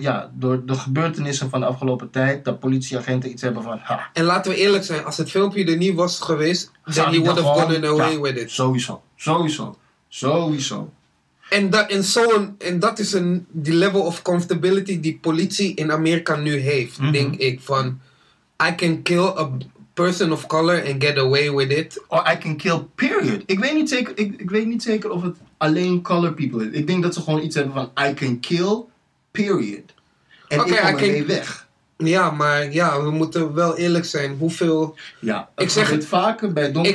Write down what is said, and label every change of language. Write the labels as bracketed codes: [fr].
[nl] Ja, door de gebeurtenissen van de afgelopen tijd... dat politieagenten iets hebben van... Ha. En laten we eerlijk zijn, als het filmpje er niet was geweest... [en] Then he would have gone away with it. [nl] Sowieso. En dat, en zo een, en dat is een, die [en] level of comfortability [nl] die politie in Amerika nu heeft, mm-hmm. denk ik. [en] Van, I can kill a person of color and get away with it. Or I can kill, period. [nl] Ik weet niet zeker, ik weet niet zeker of het alleen color people is. Ik denk dat ze gewoon iets hebben van, [en] I can kill, period. [nl] En okay, ik kom ermee weg. Ja, maar ja, we moeten wel eerlijk zijn. Hoeveel... Ja, ik zeg het vaker bij donkere